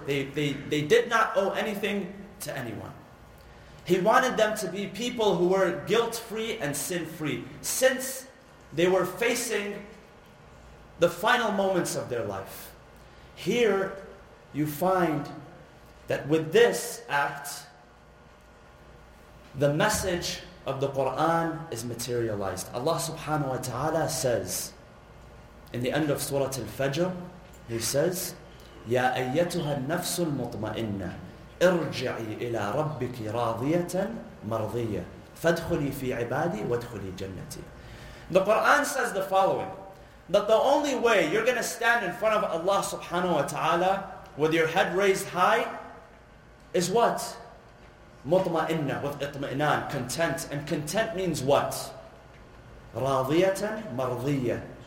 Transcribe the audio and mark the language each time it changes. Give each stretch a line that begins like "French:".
English: They did not owe anything to anyone. He wanted them to be people who were guilt-free and sin-free, since they were facing the final moments of their life. Here you find that with this act, the message of the Qur'an is materialized. Allah subhanahu wa ta'ala says, in the end of Surah Al-Fajr, He says,
Arabic: يَا أَيَّتُهَا النَّفْسُ الْمُطْمَئِنَّةِ ارْجِعِي إِلَىٰ رَبِّكِ رَاضِيَةً مَرْضِيَةً فَادْخُلِي فِي عِبَادِي وَادْخُلِي جَنَّتِي.
English: The Qur'an says the following, that the only way you're going to stand in front of Allah subhanahu wa ta'ala with your head raised high is what?
Arabic: مُطْمَئِنَّةً
English: with
Arabic: اطْمَئِنَان,
English: content. And content means what?
Arabic: رَاضِيَةً مَرْضِيَةً.